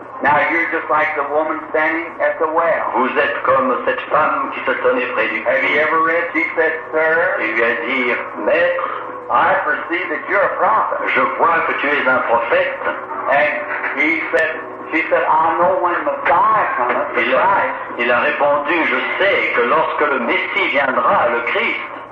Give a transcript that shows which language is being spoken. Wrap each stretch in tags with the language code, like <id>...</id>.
<en>Now you're just like the woman standing at the well.</en> <fr>Vous êtes comme cette femme qui se tenait près du puits.</fr> <en>Have you ever read? She said, "Sir."</en> <fr>Il lui a dit, maître.</fr> <en>I perceive that you're a prophet.</en> <fr>Je vois que tu es un prophète.</fr> <en>And he said, she said, "I know when Messiah comes."</en> <fr>Il a répondu, je sais que lorsque le Messie viendra, le Christ.</fr>